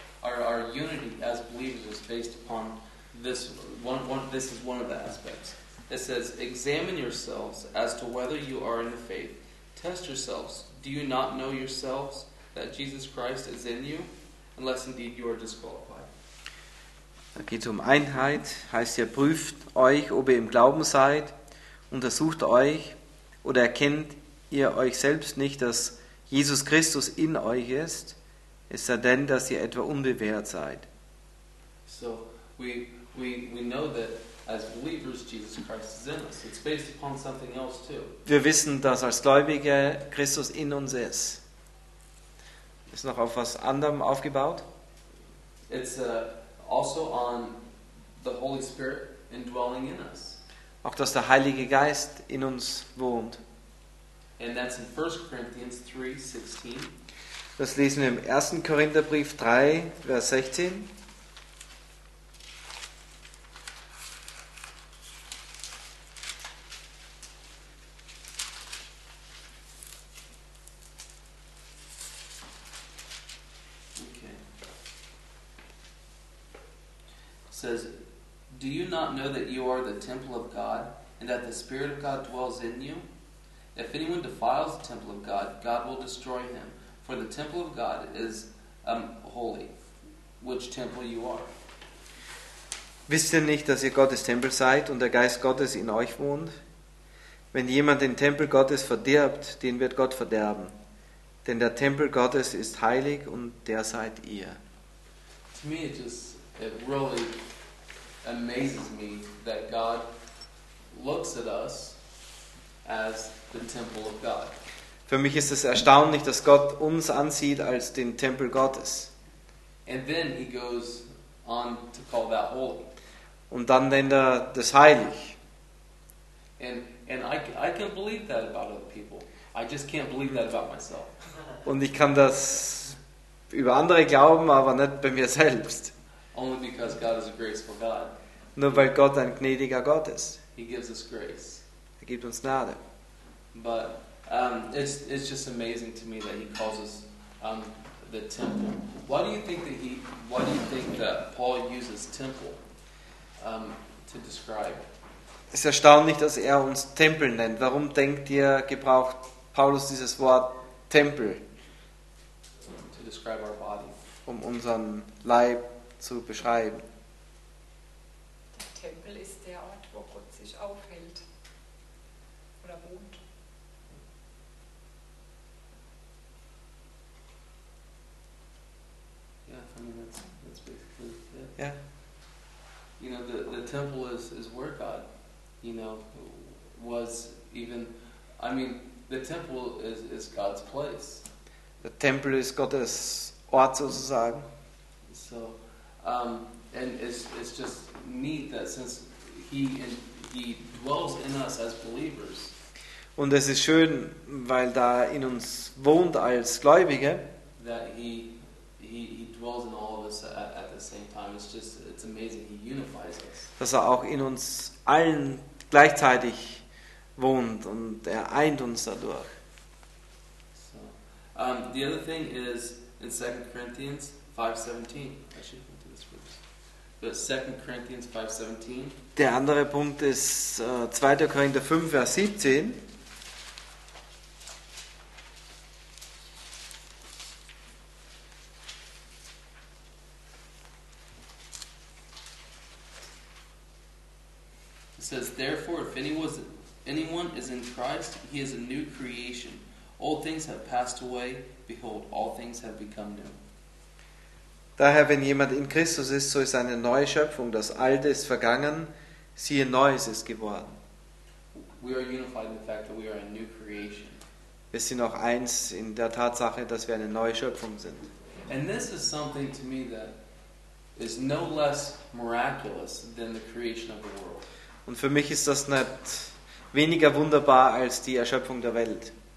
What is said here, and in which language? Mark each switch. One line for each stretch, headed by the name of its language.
English: Our unity as believers is based upon this one. This is one of the aspects. It says, examine yourselves as to whether you are in the faith. Test yourselves. Do you not know yourselves that Jesus Christ is in you? Unless indeed you are disqualified.
German: Da geht es um Einheit. Heißt, ihr prüft euch, ob ihr im Glauben seid. Untersucht euch oder erkennt ihr euch selbst nicht, dass Jesus Christus in euch ist. Es sei denn, dass ihr etwa unbewehrt seid.
English: So, we know that as believers Jesus Christ is in us. It's based upon something else too.
German: Wir wissen, dass als Gläubige Christus in uns ist. Ist noch auf was anderem aufgebaut?
English: It's also on the Holy Spirit indwelling in us.
German: Auch dass der Heilige Geist in uns wohnt.
English: And that's in 1 Corinthians 3:16.
German: Das lesen wir im 1. Korintherbrief 3, Vers 16.
English: Says, do you not know that you are the temple of God and that the Spirit of God dwells in you? If anyone defiles the temple of God, God will destroy him, for the temple of God is holy, which temple you are.
German: Wisst ihr nicht, dass ihr Gottes Tempel seid und der Geist Gottes in euch wohnt? Wenn jemand den Tempel Gottes verdirbt, den wird Gott verderben. Denn der Tempel Gottes ist heilig und der seid ihr.
English: To me it just It really amazes me that God looks at us as the temple of God.
German: Für mich ist es erstaunlich, dass Gott uns ansieht als den Tempel Gottes.
English: And then he goes on to call that holy.
German: Und dann nennt er das heilig.
English: And I can believe that about other people. I just can't believe that about myself.
German: Und ich kann das über andere glauben, aber nicht bei mir selbst.
English: Only because God is a graceful God.
German: Nur weil Gott ein gnädiger Gott ist.
English: He gives us grace.
German: Er gibt uns Gnade.
English: But it's just amazing to me that he calls us the temple. Why do you think that Paul uses temple to describe?
German: Es ist erstaunlich, dass er uns Tempel nennt. Warum denkt ihr, gebraucht Paulus dieses Wort Tempel?
English: To describe our body.
German: Um unseren Leib zu beschreiben. Der Tempel ist der Ort, wo Gott sich aufhält oder wohnt.
English: I mean, that's basically it. Yeah. You know, the temple is where God, you know, was even, I mean, the temple is God's place. The temple is
German: Gottes Ort, sozusagen.
English: So, and it's just neat that since he dwells in us as believers.
German: Und es ist schön, weil da in uns wohnt als Gläubige.
English: That he dwells in all of us at the same time. It's amazing. He unifies us.
German: Dass er auch in uns allen gleichzeitig wohnt und er eint uns dadurch.
English: So, the other thing is in 2 Corinthians 5:17. I should have done this first. But 2 Corinthians 5:17.
German: Der andere Punkt ist 2. Korinther 5, Vers 17.
English: Says, therefore, if anyone is in Christ, he is a new creation. Old things have passed away. Behold, all things have become new.
German: Daher, wenn jemand in Christus ist, so ist eine neue Schöpfung. Das Alte ist vergangen. Siehe, Neues ist geworden.
English: We are unified in the fact that we are a new creation.
German: Wir sind auch eins in der Tatsache, dass wir eine neue Schöpfung sind.
English: And this is something to me that is no less miraculous than the creation of the world.
German: Und für mich ist das nicht weniger wunderbar als die Erschöpfung der Welt.